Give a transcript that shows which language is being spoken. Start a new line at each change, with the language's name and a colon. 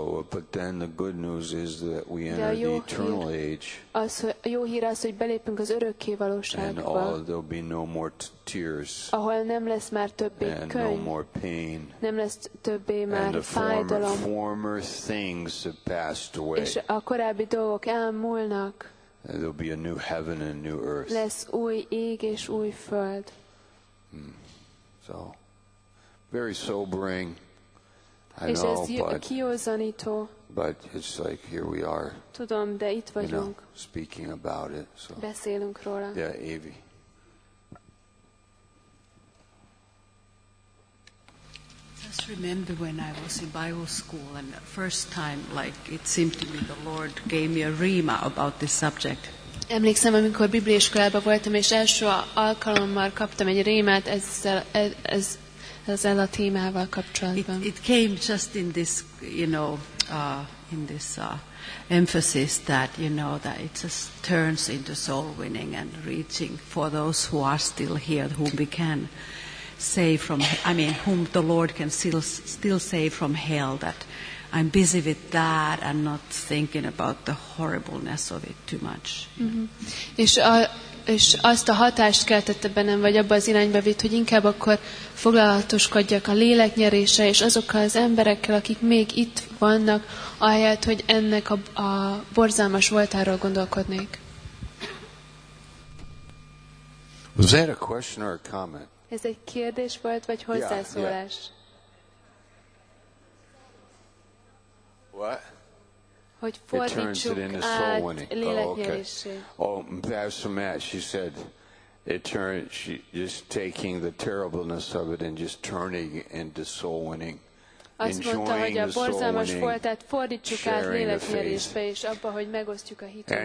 English: But then the good news is that we enter the eternal age.
Hungarian: Az, jó hír az, hogy belépünk az örökké valóságba.
English: And all there'll be no more tears.
Hungarian: Ahol nem lesz már többé könyv.
English: And no more pain.
Hungarian: Nem lesz többé már fájdalom.
English: And the former things have passed away.
Hungarian: És a korábbi dolgok elmúlnak.
English: And there'll be a new heaven and new earth.
Hungarian: Lesz új ég és új föld.
English: So, very sobering. I
Hungarian: és
English: know,
Hungarian: ez kiózanító.
English: But it's like here we are.
Hungarian: Tudom, de itt vagyunk.
English: Speaking about it, so.
Hungarian: Beszélünk róla.
English: Yeah, Évi. Just remember when I was in Bible school and the first time, like it seemed to me the Lord gave me a rhema about this subject.
Hungarian: Emlékszem, amikor bibliaiskolában voltam és első alkalommal kaptam egy rémát ez ezzel a témával kapcsolatban.
English: It came just in this, emphasis that, that it just turns into soul winning and reaching for those who are still here, whom we can save from, whom the Lord can still save from hell, that I'm busy with that and not thinking about the horribleness of it too much.
Hungarian: Mm-hmm. És és azt a hatást keltette bennem, vagy abba az irányba vitt, hogy inkább akkor foglalatoskodjak a léleknyerése, és azokkal az emberekkel, akik még itt vannak, ahelyett, hogy ennek a borzalmas voltáról gondolkodnék.
English: Was that a question or a comment?
Hungarian: Ez egy kérdés volt, vagy hozzászólás?
English: What?
Hungarian: Hogy fordítsuk át léleknyerését.
English: Oh, okay. Oh, Pastor Matt, she said, she just taking the terribleness of it and just turning into soul winning.
Hungarian: Azt mondta, hogy a borzalmas voltát fordítsuk át léleknyerésbe, és abba, hogy megosztjuk a hitünket.